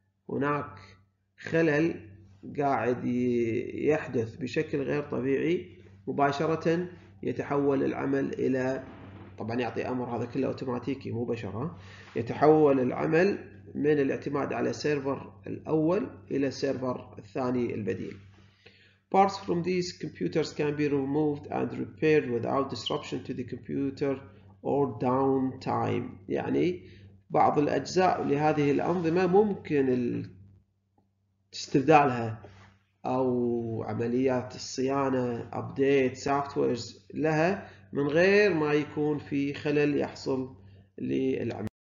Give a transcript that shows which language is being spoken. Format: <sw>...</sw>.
<ar>هناك خلل قاعد يحدث بشكل غير طبيعي، مباشره يتحول العمل الى، طبعا يعطي امر هذا كله اوتوماتيكي مو بشرة، يتحول العمل من الاعتماد على السيرفر الاول الى السيرفر الثاني البديل.</ar> <en>Parts from these computers can be removed and repaired without disruption to the computer or downtime.</en> <ar>يعني بعض الاجزاء لهذه الانظمه ممكن استبدالها او عمليات الصيانه ابديت سوفتويرز لها من غير ما يكون في خلل يحصل للعملية.</ar>